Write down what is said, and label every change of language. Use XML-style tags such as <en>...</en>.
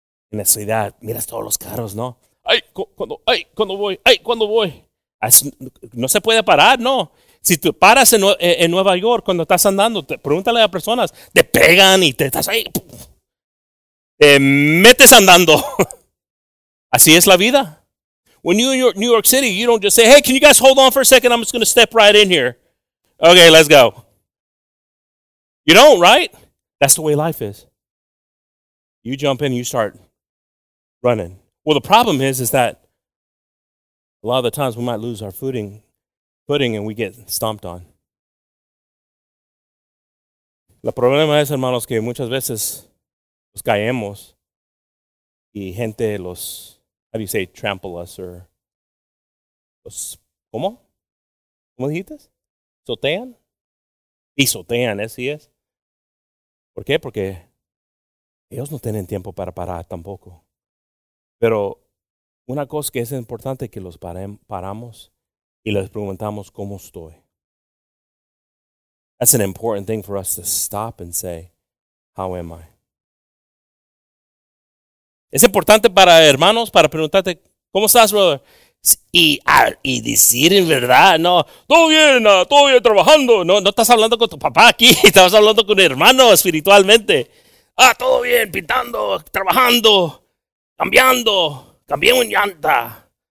<es>En la ciudad, miras todos los carros, ¿no? ¡Ay, cuando voy! No se puede parar, ¿no? Si tú paras en Nueva York, cuando estás andando, pregúntale a personas, te pegan y te estás ahí. Te metes andando. Así es la vida.</es> <en>When you're in New York City, you don't just say, hey, can you guys hold on for a second? I'm just going to step right in here. Okay, let's go. You don't, right? That's the way life is. You jump in, you start running. Well, the problem is that a lot of the times we might lose our footing and we get stomped on.</en> <es>La problema es, hermanos, que muchas veces nos caemos y gente los,</es> <en>how do you say, trample us</en> <es>or los, ¿cómo? ¿Cómo dijiste? ¿Sotean? Pisotean, así es. ¿Por qué? Porque ellos no tienen tiempo para parar tampoco. Pero una cosa que es importante que los paramos y les preguntamos cómo estoy.</es> <en>That's an important thing for us to stop and say, how am I?</en> <es>Es importante para hermanos para preguntarte, ¿cómo estás, brother? Y decir en verdad, no, todo bien trabajando. No, no estás hablando con tu papá aquí, estás hablando con un hermano espiritualmente. Ah, todo bien, pintando, trabajando, cambiando, cambié un llanta.</es>